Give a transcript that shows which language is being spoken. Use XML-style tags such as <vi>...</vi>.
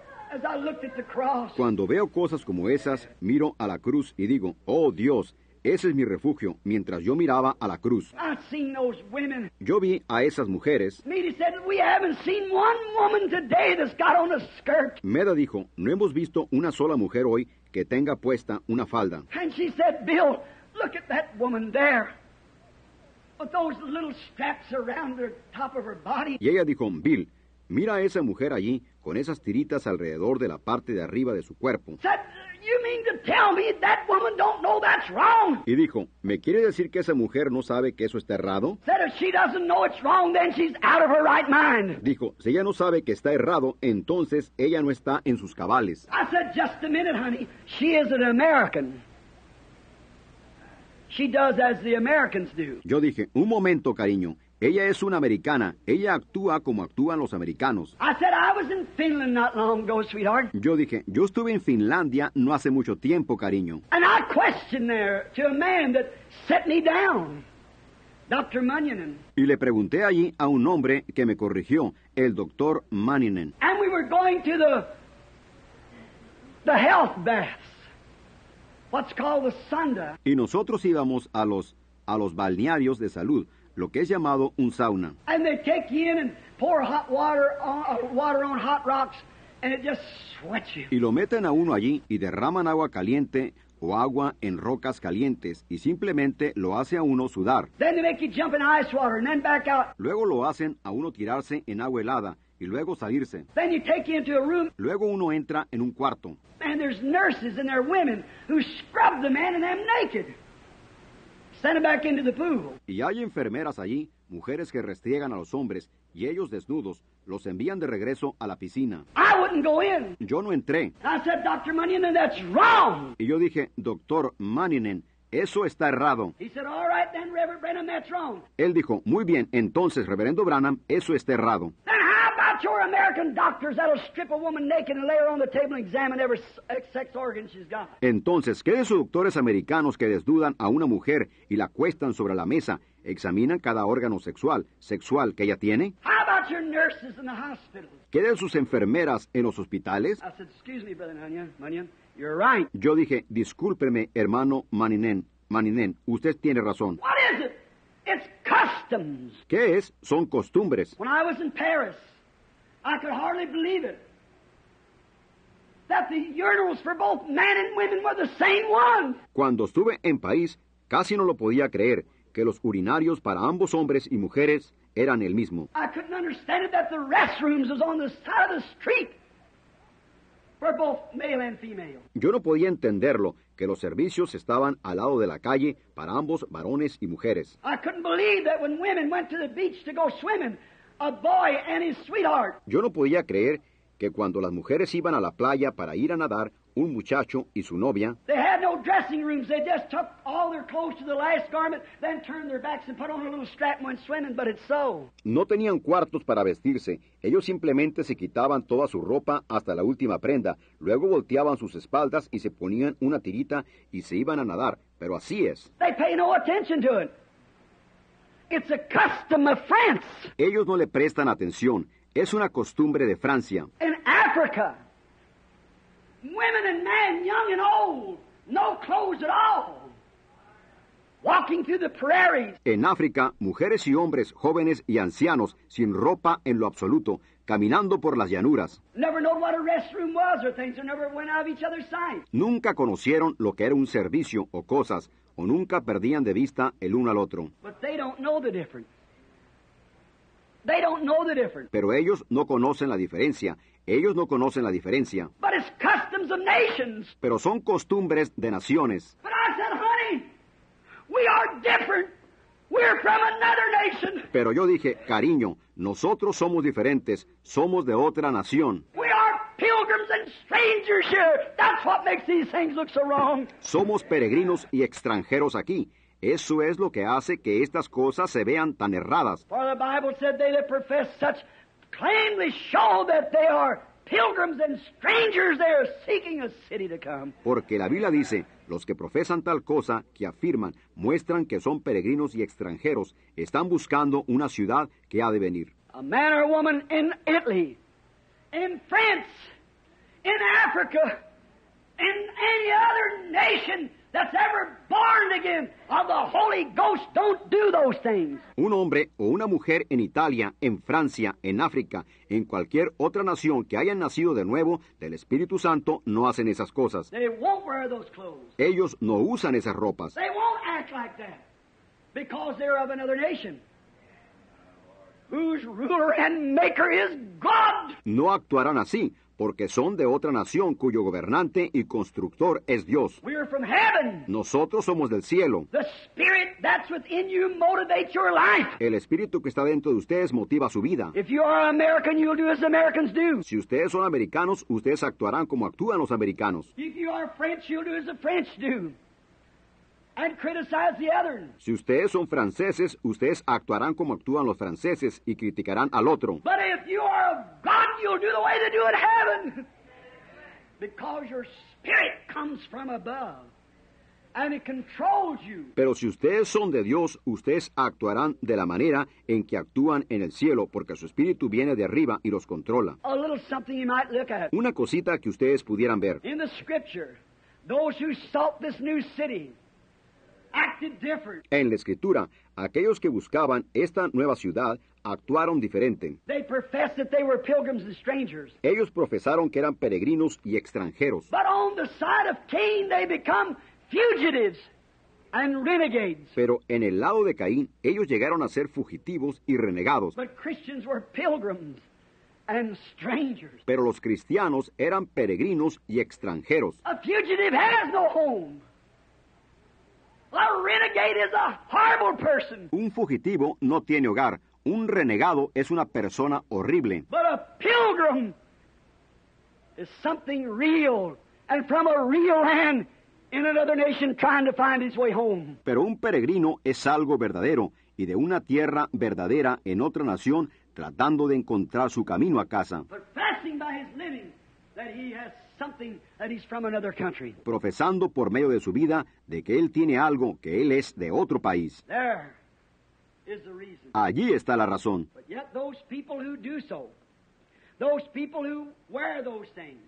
<en>As I looked at the cross.</en> <es>Cuando veo cosas como esas, miro a la cruz y digo, oh Dios, ese es mi refugio, mientras yo miraba a la cruz.</es> <en>I've seen those women.</en> <es>Yo vi a esas mujeres.</es> <en>Meda said, we haven't seen one woman today that's got on a skirt.</en> <es>Meda dijo, no hemos visto una sola mujer hoy que tenga puesta una falda.</es> <en>And she said, Bill, look at that woman there. With those little straps around the top of her body.</en> <es>Y ella dijo, Bill, mira a esa mujer allí con esas tiritas alrededor de la parte de arriba de su cuerpo.</es> <en>Said, you mean to tell me that woman don't know that's wrong?</en> <es>Y dijo, ¿me quiere decir que esa mujer no sabe que eso está errado?</es> <en>Said, if she doesn't know it's wrong, then she's out of her right mind.</en> <es>Dijo, si ella no sabe que está errado, entonces ella no está en sus cabales.</es> <en>I said, just a minute, honey. She is an American. She does as the Americans do.</en> <es>Yo dije, un momento, cariño. Ella es una americana. Ella actúa como actúan los americanos.</es> <en>I said, I was in Finland not long ago, sweetheart.</en> <es>Yo dije, yo estuve en Finlandia no hace mucho tiempo, cariño.</es> <en>And I questioned there to a man that set me down, Dr. Manninen.</en> <es>Y le pregunté allí a un hombre que me corrigió, el Dr. Manninen.</es> <en>And we were going to the health baths, what's called the sauna.</en> <es>Y nosotros íbamos a los balnearios de salud, lo que es llamado un sauna.</es> <en>And they take you in and pour hot water on hot rocks, and it just sweats you.</en> <es>Y lo meten a uno allí y derraman agua caliente o agua en rocas calientes y simplemente lo hace a uno sudar.</es> <en>Then they make you jump in ice water and then back out.</en> <es>Luego lo hacen a uno tirarse en agua helada y luego salirse.</es> <en>Then you take you into a room.</en> <es>Luego uno entra en un cuarto.</es> <en>And there's nurses and there are women who scrub the man and them naked. Send him back into the pool.</en> <es>Y hay enfermeras allí, mujeres que restriegan a los hombres, y ellos desnudos, los envían de regreso a la piscina.</es> <en>I wouldn't go in.</en> <es>Yo no entré.</es> <en>I said, Dr. Manninen, that's wrong.</en> <es>Y yo dije, Dr. Manninen, eso está errado.</es> <en>He said, all right then, Reverend Branham, that's wrong.</en> <es>Él dijo, muy bien, entonces, Reverendo Branham, eso está errado.</es> <en>Then how about your American doctors that'll strip a woman naked and lay her on the table and examine every sex organ she's got?</en> <es>Entonces, ¿qué de sus doctores americanos que desnudan a una mujer y la acuestan sobre la mesa, examinan cada órgano sexual que ella tiene?</es> <en>How about your nurses in the hospitals?</en> <es>¿Qué de sus enfermeras en los hospitales?</es> <en>I said, excuse me, Brother Manninen. You're right.</en> <es>Yo dije, discúlpeme, hermano Manninen, usted tiene razón.</es> <en>What is it? It's customs.</en> <es>¿Qué es? Son costumbres.</es> <en>When I was in Paris, I could hardly believe it. That the urinals for both men and women were the same one.</en> <es>Cuando estuve en París, casi no lo podía creer, que los urinarios para ambos hombres y mujeres eran el mismo.</es> <en>I couldn't understand it that the restrooms was on the side of the street. For both male and female.</en> <es>Yo no podía entenderlo, que los servicios estaban al lado de la calle para ambos varones y mujeres.</es> <en>I couldn't believe that when women went to the beach to go swimming, a boy and his sweetheart.</en> <es>Yo no podía creer que cuando las mujeres iban a la playa para ir a nadar, un muchacho y su novia.</es> <en>They had no dressing rooms. They just took all their clothes to the last garment, then turned their backs and put on a little strap and went swimming, but it's so.</en> <es>No tenían cuartos para vestirse. Ellos simplemente se quitaban toda su ropa hasta la última prenda. Luego volteaban sus espaldas y se ponían una tirita y se iban a nadar. Pero así es.</es> <en>They pay no attention to it. It's a custom of France.</en> <es>Ellos no le prestan atención. Es una costumbre de Francia.</es> <en>In Africa, women and men, young and old, no clothes at all, walking through the prairies.</en> <es>En África, mujeres y hombres, jóvenes y ancianos, sin ropa en lo absoluto, caminando por las llanuras.</es> <en>Never know what a restroom was or things, or never went out of each other's sight.</en> <es>Nunca conocieron lo que era un servicio o cosas, o nunca perdían de vista el uno al otro.</es> <en>But they don't know the difference. They don't know the difference.</en> <es>Pero ellos no conocen la diferencia. Ellos no conocen la diferencia.</es> <en>But it's customs of nations.</en> <es>Pero son costumbres de naciones.</es> <en>But I said, honey, we are different. We're from another nation.</en> <es>Pero yo dije, cariño, nosotros somos diferentes. Somos de otra nación.</es> <en>We are pilgrims and strangers here. That's what makes these things look so wrong.</en> <es>Somos peregrinos y extranjeros aquí. Eso es lo que hace que estas cosas se vean tan erradas.</es> <en>For the Bible said they that profess such plainly show that they are pilgrims and strangers there seeking a city to come.</en> <es>Porque la Biblia dice, los que profesan tal cosa, que afirman, muestran que son peregrinos y extranjeros, están buscando una ciudad que ha de venir.</es> <en>A man or woman in Italy, in France, in Africa, in any other nation that's ever born to again of the Holy Ghost don't do those things.</en> <es>Un hombre o una mujer en Italia, en Francia, en África, en cualquier otra nación que hayan nacido de nuevo del Espíritu Santo no hacen esas cosas.</es> <en>They won't wear those clothes.</en> <es>Ellos no usan esas ropas.</es> <en>They won't act like that because they're of another nation. Whose ruler and maker is God.</en> <es>No actuarán así, porque son de otra nación cuyo gobernante y constructor es Dios.</es> <en>We are from heaven.</en> <es>Nosotros somos del cielo.</es> <en>The spirit that's within you motivates your life.</en> <es>El espíritu que está dentro de ustedes motiva su vida.</es> <en>If you are American, you'll do as Americans do.</en> <es>Si ustedes son americanos, ustedes actuarán como actúan los americanos.</es> <en>If you are French, you'll do as the French do. And criticize the other.</en> <es>Si ustedes son franceses, ustedes actuarán como actúan los franceses y criticarán al otro.</es> <en>But if you are of God, you'll do the way they do in heaven. Because your spirit comes from above. And it controls you.</en> <es>Pero si ustedes son de Dios, ustedes actuarán de la manera en que actúan en el cielo, porque su espíritu viene de arriba y los controla.</es> <en>A little something you might look at.</en> <es>Una cosita que ustedes pudieran ver.</es> <en>In the scripture, those who sought this new city acted different.</en> <es>En la escritura, aquellos que buscaban esta nueva ciudad actuaron diferente.</es> <en>They professed that they were pilgrims and strangers.</en> <es>Ellos profesaron que eran peregrinos y extranjeros.</es> <en>But on the side of Cain, they become fugitives and renegades.</en> <es>Pero en el lado de Caín, ellos llegaron a ser fugitivos y renegados.</es> <en>But Christians were pilgrims and strangers.</en> <es>Pero los cristianos eran peregrinos y extranjeros.</es> <en>A fugitive has no home. A renegade is a horrible person.</en> <es>Un fugitivo no tiene hogar. Un renegado es una persona horrible.</es> <en>But a pilgrim is something real and from a real land in another nation trying to find his way home.</en> <es>Pero un peregrino es algo verdadero y de una tierra verdadera en otra nación tratando de encontrar su camino a casa.</es> <en>Professing by his living that he has something that he's from another country.</en> <es>Profesando por medio de su vida de que él tiene algo, que él es de otro país.</es> <en>There is the reason.</en> <es>Allí está la razón.</es> <en>But yet those people who do so, those people who wear those things.</en>